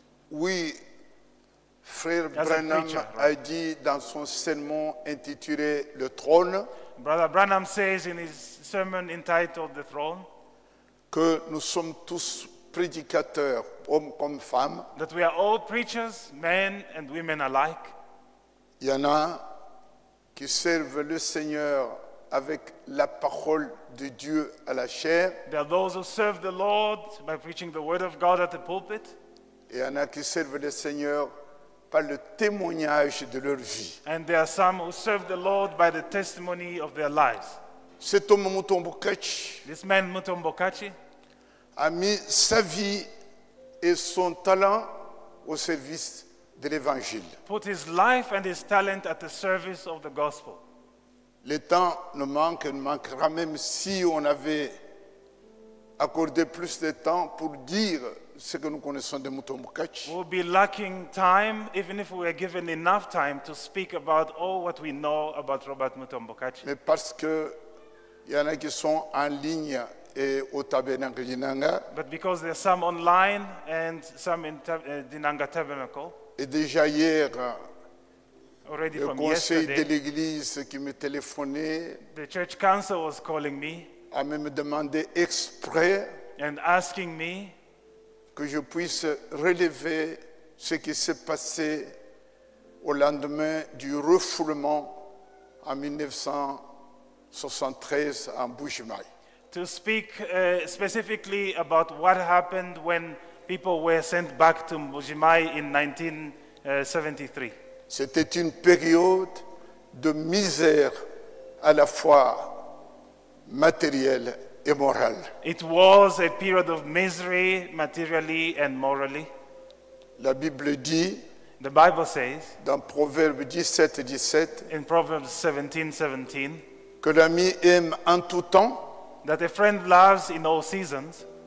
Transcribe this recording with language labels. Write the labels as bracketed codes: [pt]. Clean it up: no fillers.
[fr] Oui. Frère Branham a dit dans son sermon intitulé Le Trône, [en] Brother Branham says in his sermon entitled The Throne, [fr] que nous sommes tous prédicateurs, hommes comme femmes, [en] that we are all preachers, men and women alike. [fr] Il y en a qui servent le Seigneur avec la parole de Dieu à la chair. [en] There are those who serve the Lord by preaching the word of God at the pulpit. [fr] Il y en a qui servent le Seigneur par le témoignage de leur vie. [en] And there are some who serve the Lord by the testimony of their lives. [fr] Cet homme Mutombo Katshi, [en] this man Mutombo Katshi, [fr] a mis sa vie et son talent au service de l'Évangile. [en] Put his life and his talent at the service of the gospel. [fr] Le temps ne manque et ne manquera même si on avait accordé plus de temps pour dire ce que nous connaissons de Mutombo Katshi. [en] We'll be lacking time, even if we are given enough time to speak about all what we know about Robert Mutombo Katshi. [fr] Mais parce que Il y en a qui sont en ligne et au tabernacle. [en] But because there are some online and some in Dinanga Tabernacle. [fr] Et déjà hier, [en] already [fr] le conseil de l'église qui me téléphonait. [en] The church council was calling me. [fr] A même demandé exprès. [en] And asking me. [fr] Que je puisse relever ce qui s'est passé au lendemain du refoulement en 1973 en Bushmai. [en] To speak specifically about what happened when people were sent back to Bushmai in 1973. [fr] C'était une période de misère à la fois matérielle. [en] It was a period of misery, materially and morally. [fr] La Bible dit, [en] the Bible says, [fr] dans Proverbes 17:17, [en] in Proverbs 17:17, [fr] que l'ami aime en tout temps, [en] that a friend loves in all seasons,